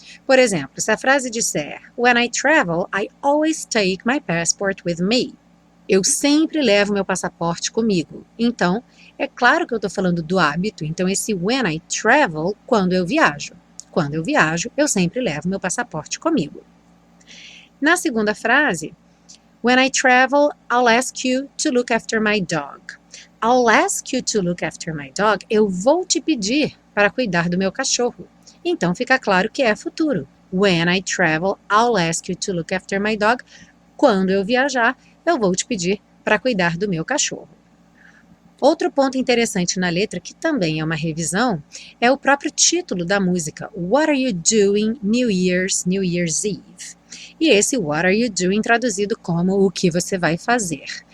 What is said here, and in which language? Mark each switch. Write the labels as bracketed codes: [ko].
[pt] Por exemplo, se a frase disser [en] When I travel, I always take my passport with me. [pt] Eu sempre levo meu passaporte comigo. Então, é claro que eu estou falando do hábito. Então, esse [en] when I travel, [pt] quando eu viajo. Quando eu viajo, eu sempre levo meu passaporte comigo. Na segunda frase, [en] when I travel, I'll ask you to look after my dog. I'll ask you to look after my dog. [pt] Eu vou te pedir para cuidar do meu cachorro. Então, fica claro que é futuro. [en] When I travel, I'll ask you to look after my dog. [pt] Quando eu viajar, eu vou te pedir para cuidar do meu cachorro. Outro ponto interessante na letra, que também é uma revisão, é o próprio título da música, What Are You Doing New Year's Eve? E esse What Are You Doing traduzido como O que você vai fazer?